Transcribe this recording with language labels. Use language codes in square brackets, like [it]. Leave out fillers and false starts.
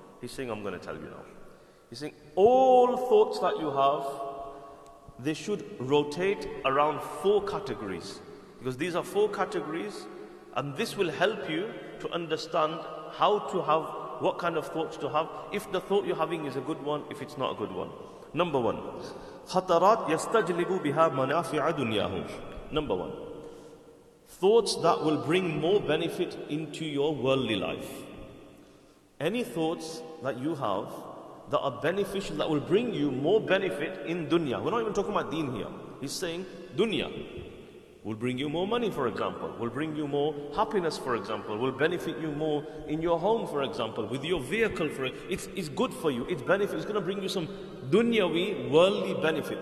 [en] He's saying, I'm going to tell you now. He's saying, all thoughts that you have, they should rotate around four categories. Because these are four categories, and this will help you to understand how to have, what kind of thoughts to have, if the thought you're having is a good one, if it's not a good one. Number one, [ar] خطرات يستجلب بها منافع دنياه. [en] Number one, thoughts that will bring more benefit into your worldly life. Any thoughts that you have that are beneficial, that will bring you more benefit in dunya. We're not even talking about deen here. He's saying dunya will bring you more money, for example, will bring you more happiness, for example, will benefit you more in your home, for example, with your vehicle, for it's good for you, it's benefit, it's going to bring you some dunyawi, worldly benefit.